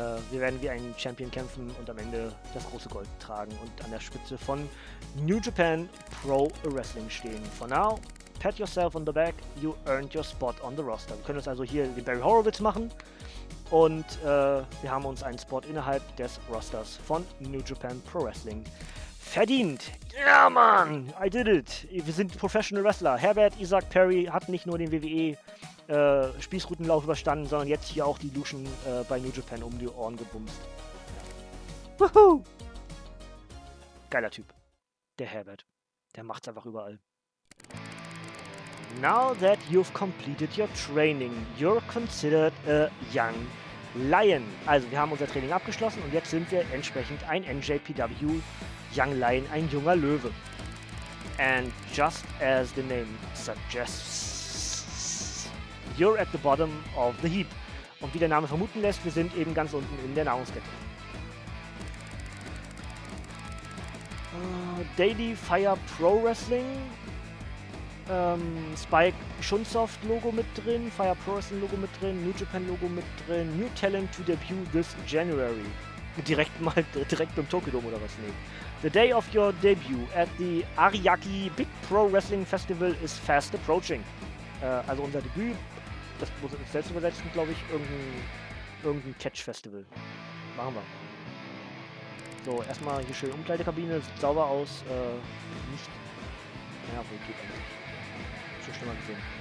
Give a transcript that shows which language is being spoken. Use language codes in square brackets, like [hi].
[de] Wir werden wie ein Champion kämpfen und am Ende das große Gold tragen und an der Spitze von New Japan Pro Wrestling stehen. [en] For now, pat yourself on the back, you earned your spot on the roster. [de] Wir können uns also hier den Barry Horowitz machen und wir haben uns einen Spot innerhalb des Rosters von New Japan Pro Wrestling verdient. Ja, yeah, Mann, [en] I did it. [de] Wir sind Professional Wrestler. Herbert Isaac Perry hat nicht nur den WWE Spießrutenlauf überstanden, sondern jetzt hier auch die Luschen bei New Japan um die Ohren gebumst. Wuhu! Geiler Typ. Der Herbert. Der macht's einfach überall. [en] Now that you've completed your training, you're considered a young lion. [de] Also, wir haben unser Training abgeschlossen und jetzt sind wir entsprechend ein NJPW Young Lion, ein junger Löwe. [en] And just as the name suggests, you're at the bottom of the heap. [de] Und wie der Name vermuten lässt, wir sind eben ganz unten in der Nahrungskette. [en] Daily Fire Pro Wrestling. [de] Spike Schunsoft Logo mit drin. Fire Pro Wrestling Logo mit drin. New Japan Logo mit drin. [en] New Talent to debut this January. [de] direkt beim Tokyo Dome oder was nehmen. [en] The day of your debut at the Ariake Big Pro Wrestling Festival is fast approaching. [de] Also unser Debüt, das muss ich selbst übersetzen, glaube ich, irgendein Catch-Festival. Machen wir. So, erstmal hier schön Umkleidekabine, sieht sauber aus. Nicht. Ja, wohl geht eigentlich. Schon schlimmer gesehen.